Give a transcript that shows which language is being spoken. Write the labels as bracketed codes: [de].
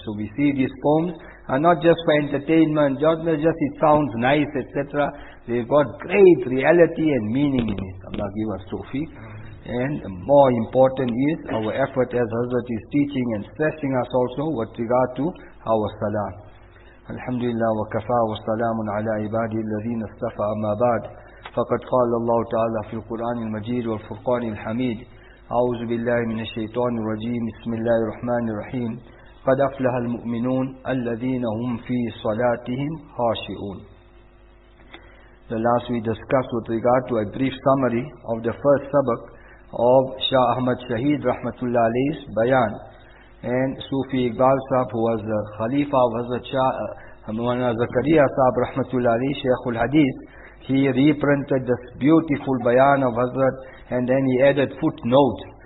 [en] So we see these poems are not just for entertainment, just it sounds nice, etc. They've got great reality and meaning in it. Allah give us tawfiq. And more important is our effort, as Hazrat is teaching and stressing us also with regard to our salah. [ar] Alhamdulillah wa kafa wa salamun ala ibadi alladhina istafa amma ba'd. فقد قال الله تعالى في القرآن المجيد والفرقان الحميد أعوذ بالله من الشيطان الرجيم بسم الله الرحمن الرحيم قد أفلح المؤمنون الذين هم في صلاتهم خاشعون. [en] The last we discussed with regard to a brief summary of the first sabak of Shah Ahmad Shaheed Rahmatullah Alayhi's Bayan, and Sufi Iqbal Sahib, who was the Khalifa of Hazrat Shah Mawlana Zakariya Sahib Rahmatullah Alayhi, Shaykhul Hadith, he reprinted this beautiful bayan of Hazrat, and then he added footnotes.